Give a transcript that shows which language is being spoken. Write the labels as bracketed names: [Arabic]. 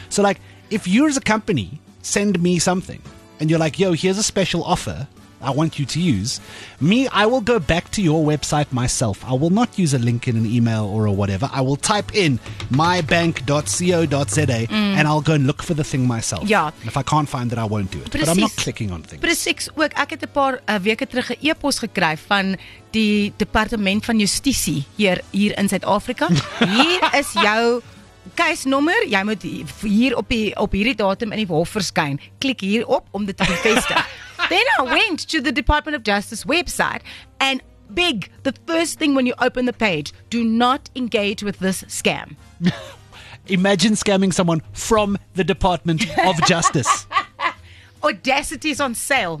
[English] So like, if you as a company send me something and you're like, yo, here's a special offer I want you to use, me, I will go back to your website myself. I will not use a link in an email or a whatever. I will type in mybank.co.za and I'll go and look for the thing myself. Yeah. And if I can't find it, I won't do it. [Afrikaans] Precies. [English] But I'm not clicking on things. [Afrikaans] Precies. Ook, ek het 'n paar weke terug 'n e-pos gekry van die Departement van Justisie hier in Suid-Afrika. Hier is jou case nommer, jy moet hier op hierdie datum in die hof verskyn. Klik hier op om dit te bevestig. [English] Then I went to the Department of Justice website and big, the first thing when you open the page, do not engage with this scam. Imagine scamming someone from the Department of Justice. Audacity is on sale.